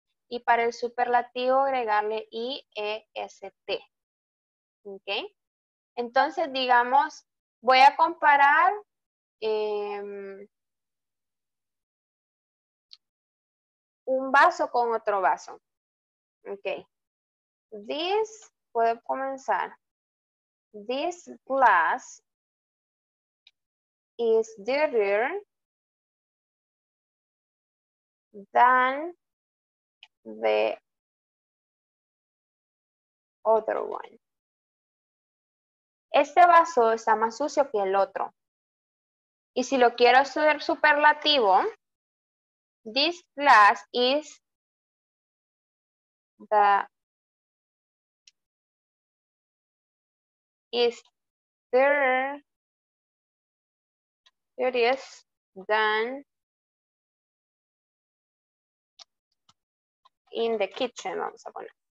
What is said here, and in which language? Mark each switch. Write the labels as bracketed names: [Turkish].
[Spanish] Y para el superlativo, agregarle I-E-S-T. Ok, entonces digamos, voy a comparar un vaso con otro vaso. Ok. This, puedo comenzar. [English] This glass is dirtier than the other one. [Spanish] Este vaso está más sucio que el otro. Y si lo quiero hacer superlativo, [English] this glass is dirtier than in the kitchen, [Spanish] vamos a poner.